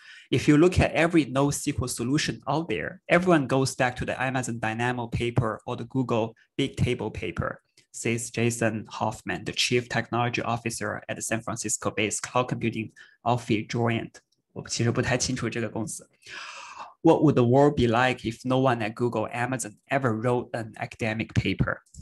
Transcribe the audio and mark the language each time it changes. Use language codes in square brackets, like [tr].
[en] If you look at every NoSQL solution out there, everyone goes back to the Amazon Dynamo paper or the Google Bigtable paper, says Jason Hoffman, the chief technology officer at the San Francisco-based cloud computing outfit Joint. [zh] 我其实不太清楚这个公司。 [en] What would the world be like if no one at Google, Amazon ever wrote an academic paper?